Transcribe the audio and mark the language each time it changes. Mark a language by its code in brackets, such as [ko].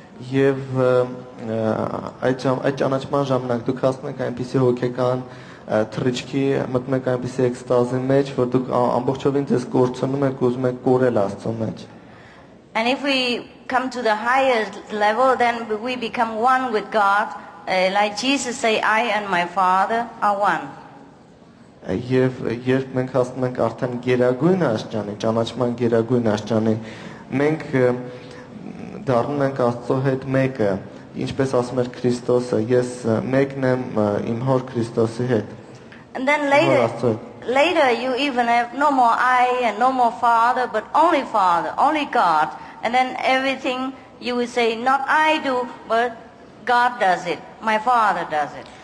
[hy] Եվ այդ ճանաչման ժամանակ դուք հասնում եք այնպիսի հոգեկան թրիչքի, մտնում եք այնպիսի էքստազի մեջ, որ դուք ամբողջովին ձեզ կորցնում եք, ուզում եք կորել Աստծո մեջ։ [en] And if we come to the highest level, then we become one with God. Like Jesus say, I and my Father are one. [hy] Եվ երբ մենք հասնում ենք արդեն գերագույն աստիճանի, ճանաչման գերագույն աստիճանի, մենք դառնում ենք Աստծո հետ մեկը, ինչպես ասում էր Քրիստոսը, ես մեկն եմ իմ հոր Քրիստոսի հետ։ [en] And then later you even have no more I and no more Father, but only Father, only God. And then everything you will say, not I do, but God does it, my Father does it.